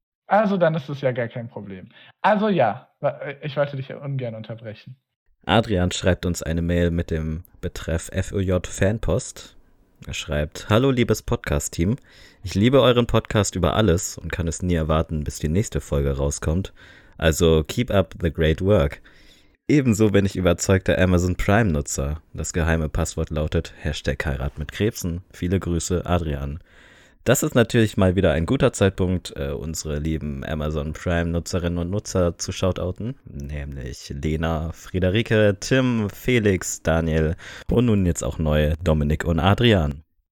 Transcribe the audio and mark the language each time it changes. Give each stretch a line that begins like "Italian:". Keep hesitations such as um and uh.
German: Also dann ist es ja gar kein Problem. Also ja, ich wollte dich ungern unterbrechen. Adrian schreibt uns eine Mail mit dem Betreff FOJ Fanpost. Er schreibt, hallo liebes Podcast-Team, ich liebe euren Podcast über alles und kann es nie erwarten, bis die nächste Folge rauskommt.
English: Also keep up the great work.
German: Ebenso bin ich überzeugter Amazon Prime-Nutzer. Das geheime Passwort lautet Hashtag Heirat mit Krebsen. Viele Grüße, Adrian. Das ist natürlich mal wieder ein guter Zeitpunkt, äh, unsere lieben Amazon Prime-Nutzerinnen und Nutzer zu shoutouten, nämlich Lena, Friederike, Tim, Felix, Daniel und nun jetzt auch neue Dominik und Adrian